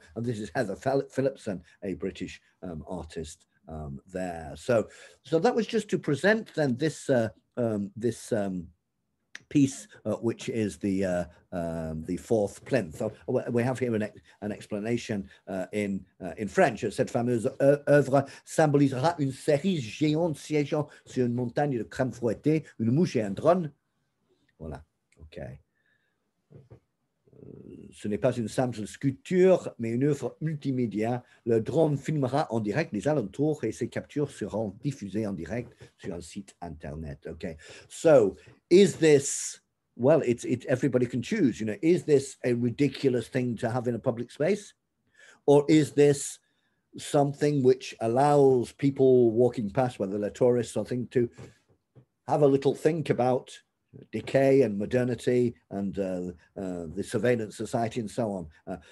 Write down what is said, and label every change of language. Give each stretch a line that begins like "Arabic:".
English: And this is Heather Phillipson, a British artist there. So that was just to present then this piece, which is the fourth plinth. We have here an explanation in French.
French: Cette fameuse œuvre symbolisera une série géante siégeant sur une montagne de crème fouettée, une mouche et un drone. Voilà. OK. Ce n'est pas une simple sculpture, mais une œuvre multimédia. Le drone filmera en direct les alentours et ses captures seront diffusées en direct sur un site internet.
English: OK. So, is this, well, it's everybody can choose, you know, is this a ridiculous thing to have in a public space? Or is this something which allows people walking past, whether they're tourists or thing, to have a little think about decay and modernity and the surveillance society and so on?